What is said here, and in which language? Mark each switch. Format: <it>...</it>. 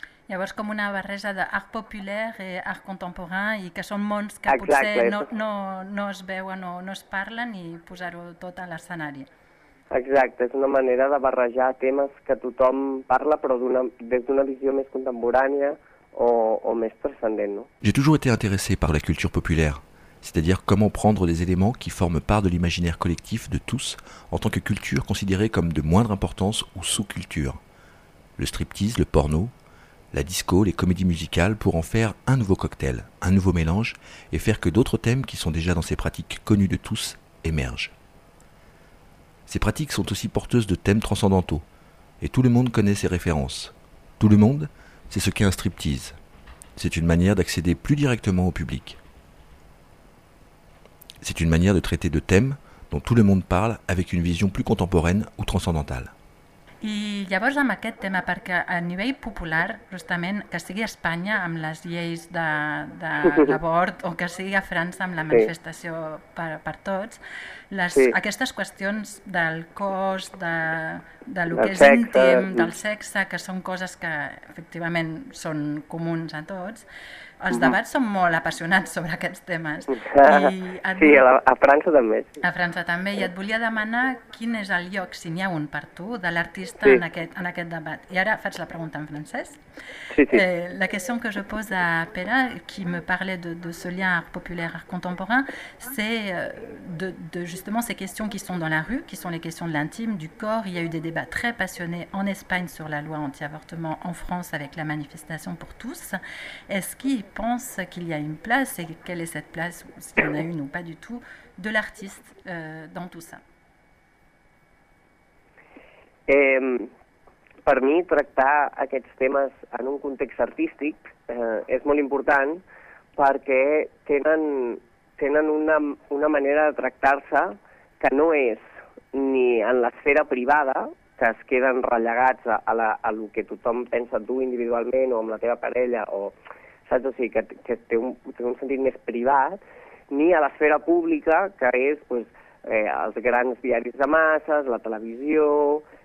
<ca>Llavors, com una barreja d'art popular i art contemporain, i que són mons que exacte, potser no es veuen o no es parlen, i posar-ho tot a l'escenari. Exacte, és una manera de barrejar temes que tothom parla, però des d'una visió més contemporània o més transcendent, no?</ca> <fr>J'ai toujours été intéressé par la culture populaire, c'est-à-dire comment prendre des éléments qui forment part de l'imaginaire collectif de tous en tant que culture considérée comme de moindre importance ou sous-culture. Le striptease, le porno, la disco, les comédies musicales, pour en faire un nouveau cocktail, un nouveau mélange, et faire que d'autres thèmes qui sont déjà dans ces pratiques connues de tous émergent. Ces pratiques sont aussi porteuses de thèmes transcendantaux, et tout le monde connaît ces références. Tout le monde, c'est ce qu'est un striptease. C'est une manière d'accéder plus directement au public. C'est une manière de traiter de thèmes dont tout le monde parle avec une vision plus contemporaine ou transcendantale.</fr> <ca>I llavors amb aquest tema, perquè a nivell popular, justament, que sigui a Espanya amb les lleis de l'avort o que sigui a França amb la manifestació per tots, aquestes qüestions del cos, de lo que és íntim, del sexe, que són coses que efectivament són comuns a tots, els debats són molt apassionats sobre aquests temes. A França també. A França també. I et volia demanar quin és el lloc, si n'hi ha un per tu, de l'artista en aquest debat. I ara faig la pregunta en francès.</ca> <fr>La question que je pose à Pere, qui me parlait de ce lien art populaire, art contemporain, c'est de justement ces questions qui sont dans la rue, qui sont les questions de l'intime, du corps. Il y a eu des débats très passionnés en Espagne sur la loi anti-avortement, en France avec la manifestation pour tous. Est-ce qu'il pense qu'il y a une place, et quelle est cette place, s'il y en a une ou pas du tout, de l'artiste dans tout ça?</fr> <ca>Per mi, tractar aquests temes en un context artístic és molt important, perquè tenen una manera de tractar-se que no és ni en l'esfera privada, que es queden relegats a lo que tothom pensa tu individualment o amb la teva parella, o saps? O sigui, que té un sentit més privat, ni a l'esfera pública, que és pues, els grans diaris de masses, la televisió...</ca>